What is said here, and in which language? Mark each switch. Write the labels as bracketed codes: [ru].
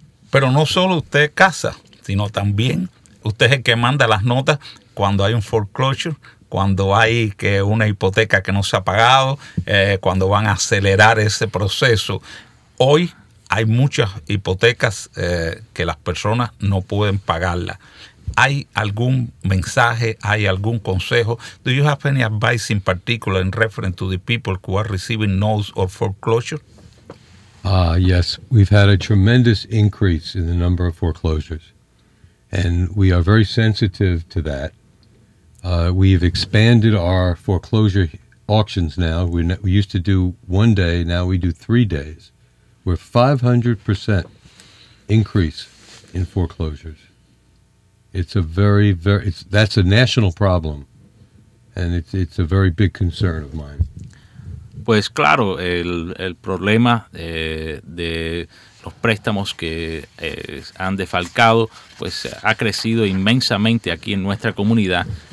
[es] Pero no solo usted casa, sino también usted es el que manda las notas cuando hay un foreclosure, cuando hay que una hipoteca que no se ha pagado, cuando van a acelerar ese proceso. Hoy hay muchas hipotecas que las personas no pueden pagarlas. ¿Hay algún mensaje, hay algún consejo? [en] Do you have any advice in particular in reference to the people who are receiving notes of foreclosure? Yes, we've had a tremendous increase in the number of foreclosures. And we are very sensitive to that. We've expanded our foreclosure auctions now. We used to do one day, now we do 3 days. We're 500% increase in foreclosures. It's a very, very, that's a national problem, and it's a very big concern of mine. [es] Pues claro, el problema de los préstamos que han defalcado, pues ha crecido inmensamente aquí en nuestra comunidad.